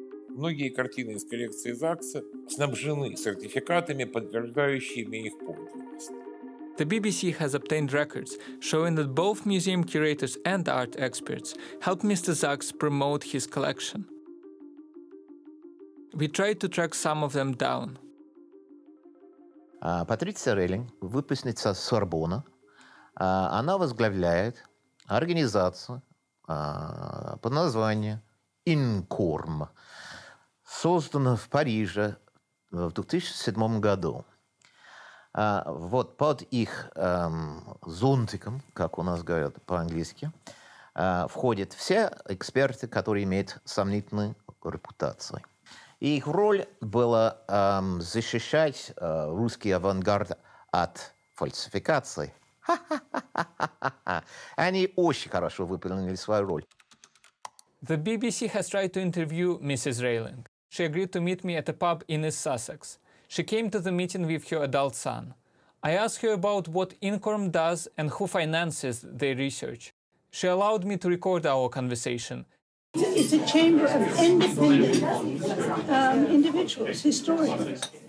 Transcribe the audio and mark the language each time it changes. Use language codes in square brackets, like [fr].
[ru] Многие картины из коллекции Закса снабжены сертификатами, подтверждающими их подлинность. [en] The BBC has obtained records showing that both museum curators and art experts helped Mr. Zaks promote his collection. We tried to track some of them down. [ru] Патриция Рейлинг, выпускница Сорбона, она возглавляет организацию под названием Incorm, созданную в Париже в 2007 году. Вот под их зонтиком, как у нас говорят по-английски, входят все эксперты, которые имеют сомнительную репутацию. И их роль была защищать русский авангард от фальсификации. Они очень хорошо выполнили свою роль. [en] The BBC has tried to interview Mrs. Rayling. She agreed to meet me at a pub in East Sussex. She came to the meeting with her adult son. I asked her about what INCORM does and who finances their research. She allowed me to record our conversation. It's a chamber of independent individuals, historians.